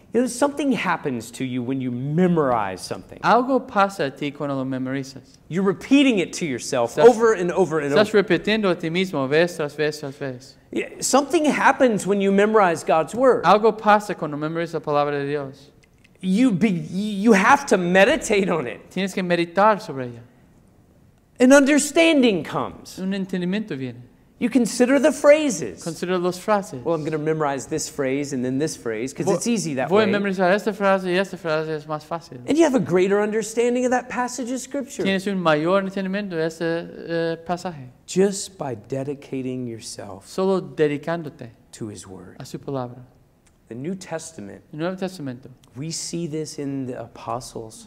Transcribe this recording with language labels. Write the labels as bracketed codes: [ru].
[en] You know, something happens to you when you memorize something. [es] Algo pasa a ti cuando lo memorizas. [en] You're repeating it to yourself over and over and over. [es] Estás repitiendo a ti mismo vez tras vez tras vez. [en] Something happens when you memorize God's word. [es] Algo pasa cuando memorizas la palabra de Dios. [en] You have to meditate on it. [es] Tienes que meditar sobre ella. [en] An understanding comes. [es] Un entendimiento viene. [en] You consider the phrases. [es] Consider las frases. [en] Well, I'm going to memorize this phrase and then this phrase because it's easy that [es] voy Voy a memorizar esta frase es más fácil. [en] And you have a greater understanding of that passage of scripture. [es] Tienes un mayor entendimiento de ese pasaje. [en] Just by dedicating yourself. [es] Solo dedicándote. [en] To His word. [es] A su palabra. [en] The New Testament. [es] El Nuevo Testamento. [en] We see this in the apostles.